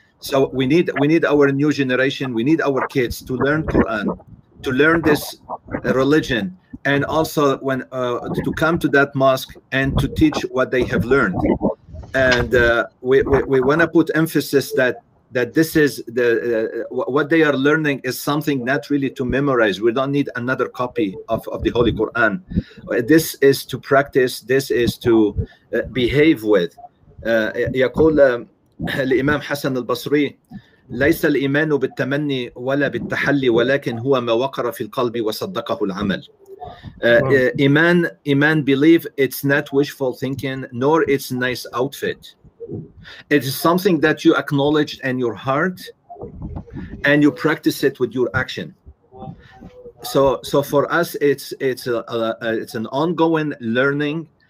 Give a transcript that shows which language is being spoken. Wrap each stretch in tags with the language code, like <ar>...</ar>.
<en>So we need our new generation, we need our kids to learn Quran, to learn this religion, and also when to come to that mosque and to teach what they have learned. And we want to put emphasis that this is the what they are learning is something not really to memorize. We don't need another copy of the Holy Quran. This is to practice. This is to behave with.</en> <ar>يقول الإمام حسن البصري ليس الإيمان بالتمني ولا بالتحلي ولكن هو ما وقر في القلب وصدقه العمل.</ar> <en>Iman, believe, it's not wishful thinking, nor it's nice outfit. It is something that you acknowledge in your heart and you practice it with your action. So for us, it's an ongoing learning.</en>